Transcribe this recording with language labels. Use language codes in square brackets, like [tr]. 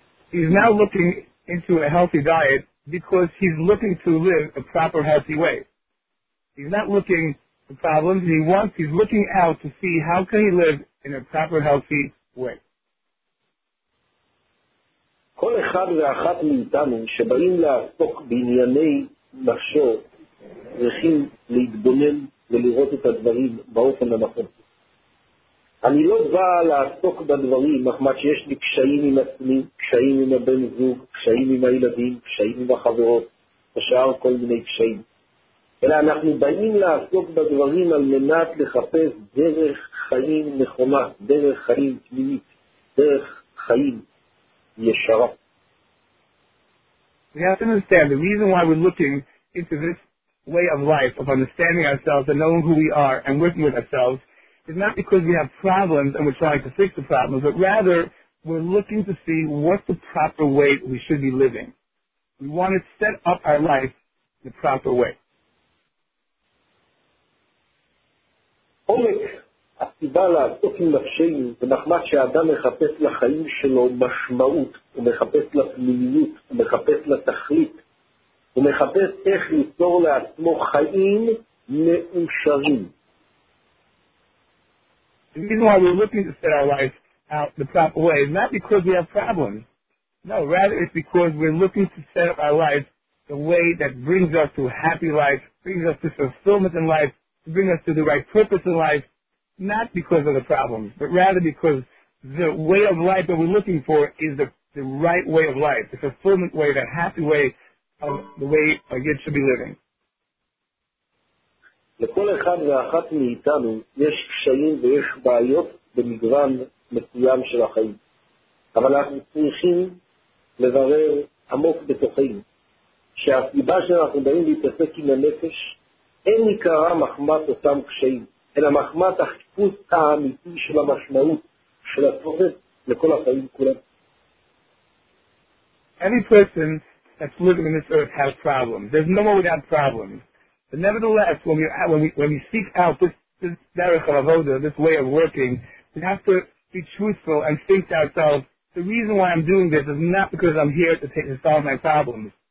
[en] He's now looking into a healthy diet because he's looking to live a proper, healthy way. He's not looking for problems. He's looking out to see how can he live in a proper, healthy way. [he] כל אחד ואחת מאיתנו שבאים לעסוק בענייני נפשו צריכים להתבונן ולראות את הדברים באופן הנכון. אני לא בא לעסוק בדברים מחמת שיש לי קשיים עם עצמי, קשיים עם הבן זוג, קשיים עם הילדים, קשיים עם החברות, ושאר כל מיני קשיים. אלא אנחנו באים לעסוק בדברים על מנת לחפש דרך חיים נכונה, דרך חיים תמימית, דרך חיים ישרה. [en] We have to understand the reason why we're looking into this way of life, of understanding ourselves and knowing who we are and working with ourselves, is not because we have problems and we're trying to fix the problems, but rather we're looking to see what's the proper way we should be living. We want to set up our life the proper way. [he] עומק הסיבה לעסוק עם נפשנו זה מחמת שהאדם מחפש לחיים שלו משמעות, הוא מחפש לפנימיות, הוא מחפש לתכלית, הוא מחפש איך ליצור לעצמו חיים מאושרים. [en] The reason why we're looking to set our life out the proper way is not because we have problems. No, rather it's because we're looking to set up our life the way that brings us to a happy life, brings us to fulfillment in life, to bring us to the right purpose in life, not because of the problems, but rather because the way of life that we're looking for is the right way of life, the fulfillment way, the happy way of the way a kid should be living. [he] לכל אחד ואחת מאיתנו יש קשיים ויש בעיות במגוון מסוים של החיים. אבל אנחנו צריכים לברר עמוק בתוכנו שהסיבה שאנחנו באים להתעסק עם הנפש אין עיקרה מחמת אותם קשיים, אלא מחמת החיפוש האמיתי של המשמעות של התוכן לכל החיים כולם. [en] Any person that's living in this earth has problems. There's no more without problems. But nevertheless, when we seek out this derech of avoda, this way of working, we have to be truthful and think to ourselves, the reason why I'm doing this is not because I'm here to solve my problems.